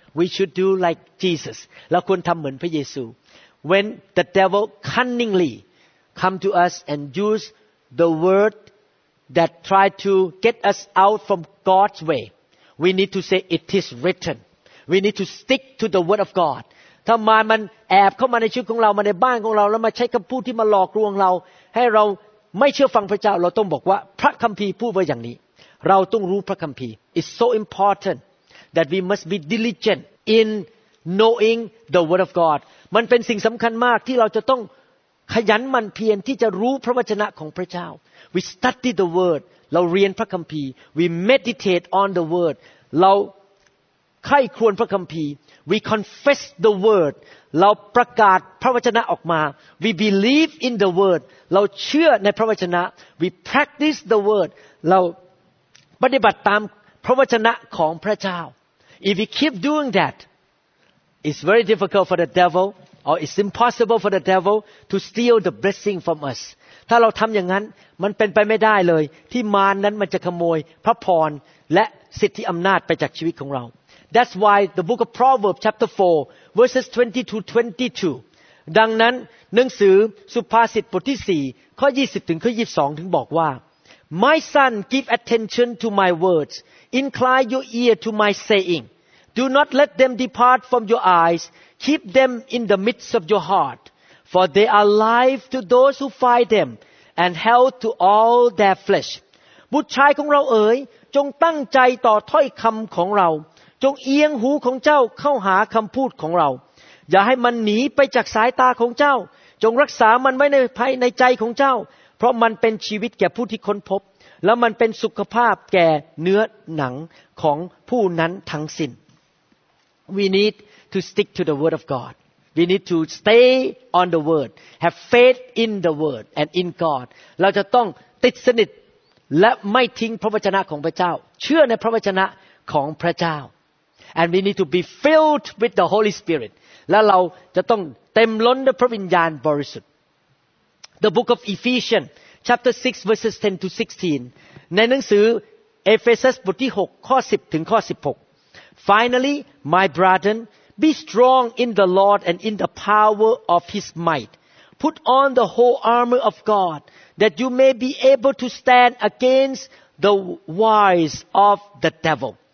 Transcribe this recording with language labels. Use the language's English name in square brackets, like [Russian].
[English] We should do like Jesus. [Thai] เราควรทำเหมือนพระเยซู [English] When the devil cunningly come to us and use the word that try to get us out from God's way, we need to say it is written. We need to stick to the word of God. [Thai] ถ้ามารมันแอบเข้ามาในชีวิตของเรามาในบ้านของเราแล้วมาใช้คำพูดที่มาหลอกลวงเราให้เราไม่เชื่อฟังพระเจ้าเราต้องบอกว่าพระคัมภีร์พูดไว้อย่างนี้เราต้องรู้พระคัมภีร์ [English] It's so important that we must be diligent in knowing the word of God [Thai] มันเป็นสิ่งสำคัญมากที่เราจะต้องขยันหมั่นเพียรที่จะรู้พระวจนะของพระเจ้า [English] We study the word [Thai] เราเรียนพระคัมภีร์ [English] We meditate on the word [Thai] เราใคร่ครวญพระคัมภีร์ [English] We confess the word [Thai] เราประกาศพระวจนะออกมา [English] We believe in the word [Thai] เราเชื่อในพระวจนะ [English] We practice the word [Thai] เราปฏิบัติตามพระวจนะของพระเจ้า [English] If we keep doing that it's very difficult for the devil or it's impossible for the devil to steal the blessing from us [Thai] ถ้าเราทำอย่างนั้นมันเป็นไปไม่ได้เลยที่มารนั้นมันจะขโมยพระพรและสิทธิอำนาจไปจากชีวิตของเรา [English] That's why the book of Proverbs chapter 4verses 20-22 [Thai] ดังนั้นหนังสือสุภาษิตบทที่4ข้อ20ถึงข้อ22ถึงบอกว่า [English] My son give attention to my words incline your ear to my saying do not let them depart from your eyes keep them in the midst of your heart for they are life to those who find them and health to all their flesh [Thai] บุตรชายของเราเอ๋ยจงตั้งใจต่อถ้อยคำของเราจงเอียงหูของเจ้าเข้าหาคำพูดของเราอย่าให้มันหนีไปจากสายตาของเจ้าจ จงรักษามันไว้ในภายในใจของเจ้าเพราะมันเป็นชีวิตแก่ผู้ที่ค้นพบและมันเป็นสุขภาพแก่เนื้อหนังของผู้นั้นทั้งสิ้น [English] We need to stick to the word of God. We need to stay on the word. Have faith in the word and in God. [Thai] เราจะต้องติดสนิทและไม่ทิ้งพระวจนะของพระเจ้าเชื่อในพระวจนะของพระเจ้า [English] And we need to be filled with the Holy Spirit. [Thai] และเราจะต้องเต็มล้นด้วยพระวิญญาณบริสุทธิ์ [English] The book of Ephesians chapter 6 verses 10 to 16 [Thai] ในหนังสือเอเฟซัสบทที่6ข้อ10ถึงข้อ16 [English] Finally my brethren be strong in the Lord and in the power of his might put on the whole armor of God that you may be able to stand against the wiles of the devil